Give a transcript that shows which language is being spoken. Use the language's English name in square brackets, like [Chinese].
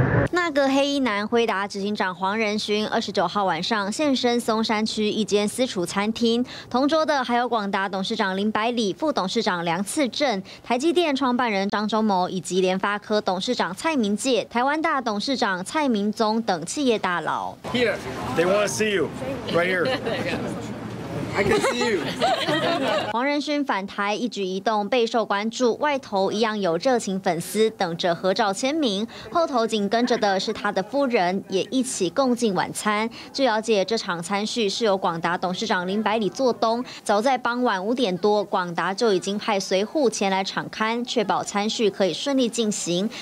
[Chinese] 那个黑衣男辉达执行长黄仁勋29号晚上现身松山区一间私厨餐厅，同桌的还有广达董事长林百里、副董事长梁次正、台积电创办人张忠谋以及联发科董事长蔡明介、台湾大董事长蔡明宗等企业大佬。 [English] Here, they want to see you, right here. I can see you. [Chinese] 黄仁勋返台一举一动备受关注，外头一样有热情粉丝等着合照签名，后头紧跟着的是他的夫人，也一起共进晚餐。据了解，这场餐叙是由广达董事长林百里做东，早在傍晚5点多，广达就已经派随扈前来敞刊，确保餐叙可以顺利进行。